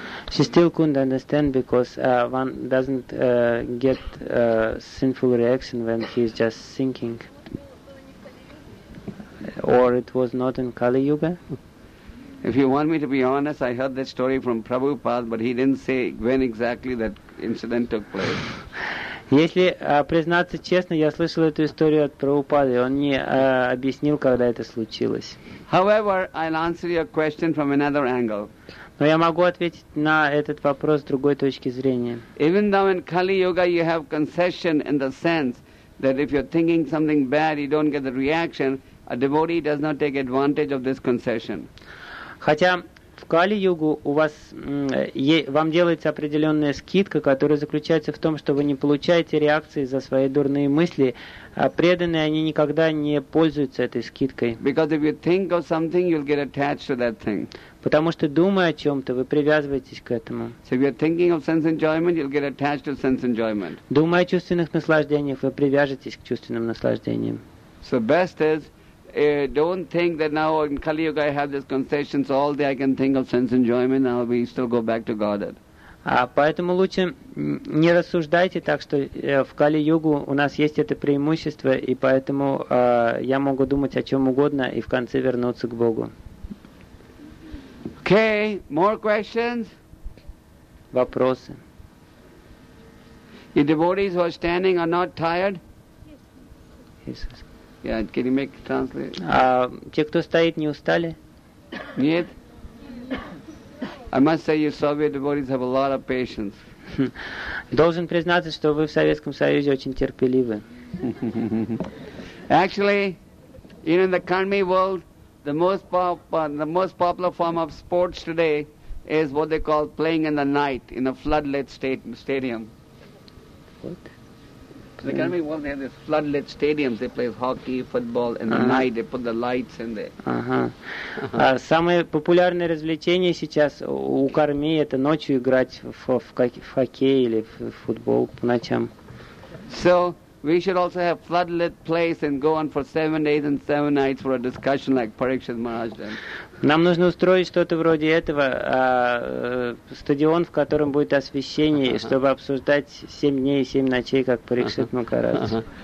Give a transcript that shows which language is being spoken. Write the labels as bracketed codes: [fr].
[en] She still couldn't understand because one doesn't get a sinful reaction when he's just thinking. Or it was not in Kali Yuga? If you want me to be honest, I heard that story from Prabhupada, but he didn't say when exactly that incident took place. [ru] Если признаться честно, я слышал эту историю от Прабхупады, он не объяснил, когда это случилось. [en] However, I'll answer your question from another angle. [ru] Но я могу ответить на этот вопрос с другой точки зрения. [en] Even though in Kali Yuga you have concession in the sense that if you're thinking something bad, you don't get the reaction, a devotee does not take advantage of this concession. [ru] Хотя в Кали-югу у вас вам делается определенная скидка, которая заключается в том, что вы не получаете реакции за свои дурные мысли, а преданные они никогда не пользуются этой скидкой. [en] Because if you think of something, you'll get attached to that thing. [ru] Потому что думая о чем-то, вы привязываетесь к этому. [en] So if you're thinking of sense enjoyment, you'll get attached to sense enjoyment. [ru] Думая о чувственных наслаждениях, вы привяжетесь к чувственным наслаждениям. [en] So best is don't think that now in Kali Yuga I have this concession, so all day I can think of sense enjoyment, and I'll be still go back to Godhead. [ru] Поэтому лучше не рассуждайте так, что в Кали Югу у нас есть это преимущество, и поэтому я могу думать о чем угодно и в конце вернуться к Богу. [en] Okay, more questions? [ru] Вопросы. [en] The devotees who are standing are not tired? Yes. Yeah, can you make translate? [ru] Те, кто стоит, не устали? Нет. [en] I must say, you Soviet devotees have a lot of patience. [ru] Должен признаться, что вы в Советском Союзе очень терпеливы. [en] Actually, in the Karmi world, the most popular form of sports today is what they call playing in the night in a floodlit stadium. What? The Karmi world, they have these floodlit stadiums. They play hockey, football in the night. They put the lights in there. [ru] Самое популярное развлечение сейчас у Карми это ночью играть в хоккей или в футбол по ночам. [en] So we should also have floodlit place and go on for 7 days and 7 nights for a discussion like Parikshit Maharaj did. [ru] Нам нужно устроить что-то вроде этого, стадион, в котором будет освещение, чтобы обсуждать 7 дней и 7 ночей, как Парикшит Макарас.